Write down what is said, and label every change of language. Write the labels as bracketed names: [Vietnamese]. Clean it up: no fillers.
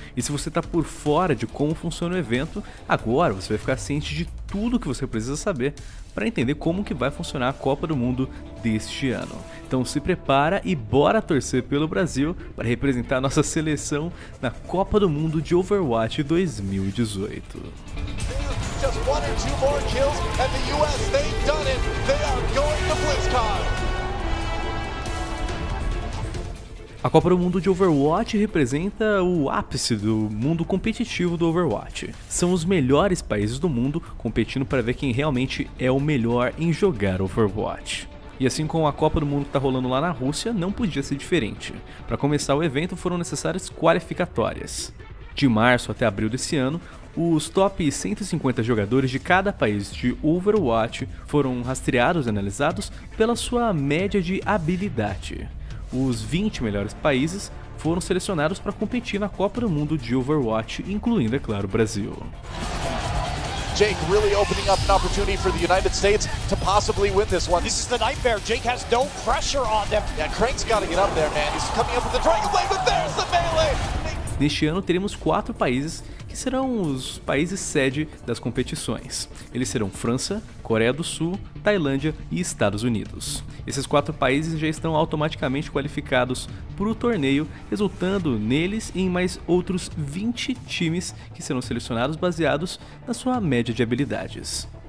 [Portuguese] E se você está por fora de como funciona o evento, agora você vai ficar ciente de tudo que você precisa saber para entender como que vai funcionar a Copa do Mundo deste ano. Então se prepara e bora torcer pelo Brasil para representar a nossa seleção na Copa do Mundo de Overwatch 2018. [English] Just one or two more kills and the US, they've done it. They are going to BlizzCon. [Portuguese] A Copa do Mundo de Overwatch representa o ápice do mundo competitivo do Overwatch. São os melhores países do mundo competindo para ver quem realmente é o melhor em jogar Overwatch. E assim como a Copa do Mundo que está rolando lá na Rússia, não podia ser diferente. Para começar o evento foram necessárias qualificatórias. De março até abril desse ano, os top 150 jogadores de cada país de Overwatch foram rastreados e analisados pela sua média de habilidade. Os 20 melhores países foram selecionados para competir na Copa do Mundo de Overwatch, incluindo, é claro, o Brasil. [English] Jake really opening up an opportunity for the United States to possibly win this one. This is the nightmare. Jake has no pressure on them. Yeah, Crank's got to get up there, man. He's coming up with the Dragon Blade, but there's the melee. [Portuguese] Neste ano teremos 4 países que serão os países sede das competições. Eles serão França, Coreia do Sul, Tailândia e Estados Unidos. Esses 4 países já estão automaticamente qualificados para o torneio, resultando neles e em mais outros 20 times que serão selecionados baseados na sua média de habilidades.